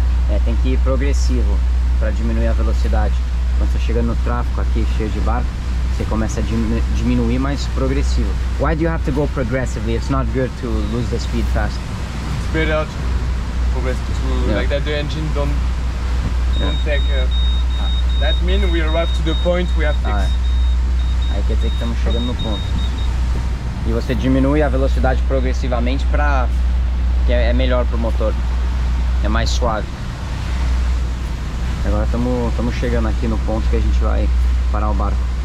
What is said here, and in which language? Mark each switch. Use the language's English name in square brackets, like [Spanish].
[Portuguese] É, tem que ir progressivo para diminuir a velocidade. Quando você chega no tráfego aqui cheio de barco, você começa a diminuir mais progressivo. [English] Why do you have to go progressively? It's not good to lose the speed fast. It's better to progress like that. The engine don't take. That means we arrive to the point we have fixed. [Portuguese] Aí quer dizer que estamos chegando no ponto. E você diminui a velocidade progressivamente para que é melhor para o motor, é mais suave. Agora estamos chegando aqui no ponto que a gente vai parar o barco.